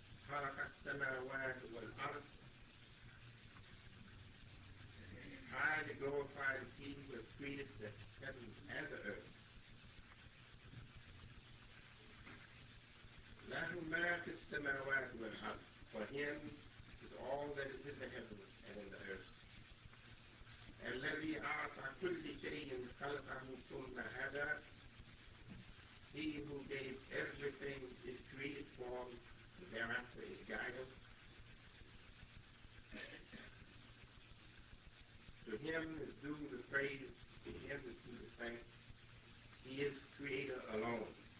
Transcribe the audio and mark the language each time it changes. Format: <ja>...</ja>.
<ar>خلق السماوات والأرض.</ar> <en>Highly glorified is He who has created the heavens and the earth.</en> <ar>له ما في السماوات والأرض.</ar> <en>For Him is all that is in the heavens and in the earth.</en> <ar>الذي أعطى كل شيء خلقه ثم هدى.</ar> <en>He who gave everything its created form and thereafter is guided. To Him is due the praise, to Him is due the thanks. He is Creator alone.</en>